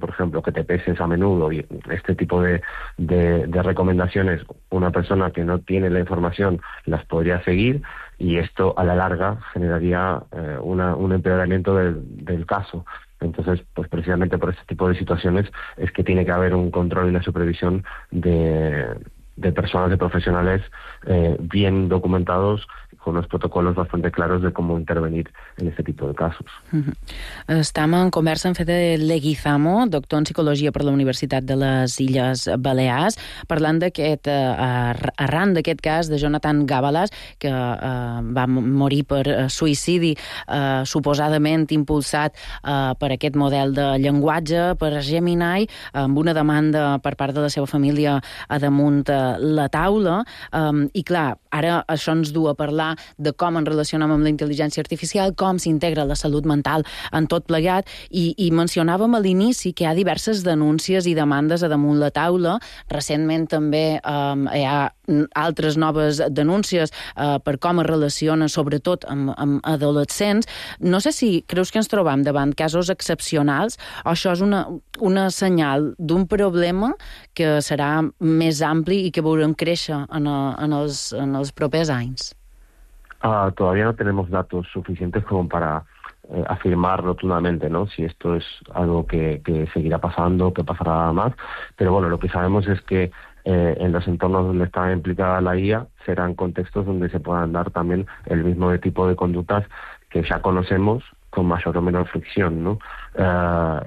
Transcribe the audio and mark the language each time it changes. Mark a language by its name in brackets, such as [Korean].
[Spanish] Por ejemplo, que te peses a menudo, y este tipo de recomendaciones una persona que no tiene la información las podría seguir, y esto a la larga generaría un empeoramiento del caso. Entonces, pues precisamente por este tipo de situaciones es que tiene que haber un control y una supervisión de personas, de profesionales bien documentados, con unos protocolos bastante claros de cómo intervenir en este tipo de casos. Uh-huh. [Catalan] Estem en conversa amb Fede Leguizamo, doctor en psicologia per la Universitat de les Illes Balears, parlant d'aquest arran d'aquest cas de Jonathan Gàbalas, que va morir per suïcidi suposadament impulsat per aquest model de llenguatge, per Gemini, amb una demanda per part de la seva família a damunt la taula. I clar, ara això ens du a parlar de com ens relacionem amb la intel·ligència artificial, com s'integra la salut mental en tot plegat, i mencionàvem a l'inici que hi ha diverses denúncies i demandes a damunt la taula. Recentment també hi ha altres noves denúncies per com es relaciona sobretot amb adolescents. No sé si creus que ens trobem davant casos excepcionals o això és una senyal d'un problema que serà més ampli i que veurem créixer en els propers anys. [Spanish] Todavía no tenemos datos suficientes como para afirmar rotundamente, ¿no? Si esto es algo que seguirá pasando, que pasará más. Pero bueno, lo que sabemos es que en los entornos donde está implicada la IA serán contextos donde se puedan dar también el mismo tipo de conductas que ya conocemos, con mayor o menor fricción, ¿no?